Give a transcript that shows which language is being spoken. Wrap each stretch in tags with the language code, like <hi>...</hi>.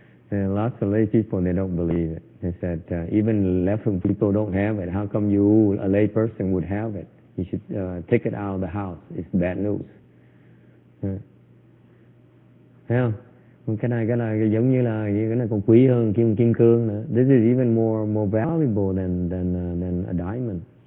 <en>Lots of lay people, they don't believe it. They said, even left-wing people don't have it. How come you, a lay person, would have it? You should take it out of the house. It's bad news. Yeah.</en> <vi>Cái này giống như là cái này còn quý hơn kim cương nữa.</vi> <en>This is even more valuable than a diamond.</en>